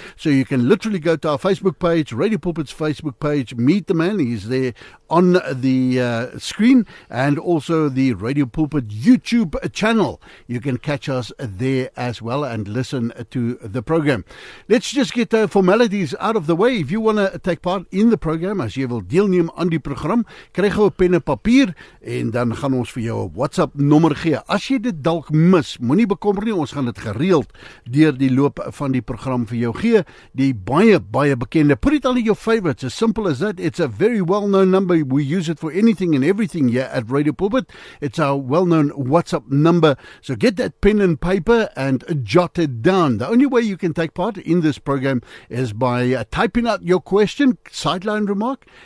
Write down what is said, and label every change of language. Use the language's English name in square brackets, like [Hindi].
[English] So you can literally go to our Facebook page, Radio Pulpit's Facebook page, meet the man. He's there on the screen, and also the Radio Pulpit YouTube channel. You can catch us there as well and listen to the program. Let's just get the formalities out of the way. If you want to take part in the program, [Afrikaans] as jy wil deelneem aan die program, kry gou 'n pen en papier en dan gaan ons vir jou 'n WhatsApp nommer gee. As jy dit dalk mis, moenie bekommer nie, ons gaan dit gereeld deur die loop van die program vir jou gee. Die baie baie bekende, [English] put it all in your favorites, as simple as that. It's a very well-known number. We use it for anything and everything here at Radio Pulpit. It's our well-known WhatsApp number. So get that pen and paper and jot it down. The only way you can take part in this program is by typing out your question, sideline remark.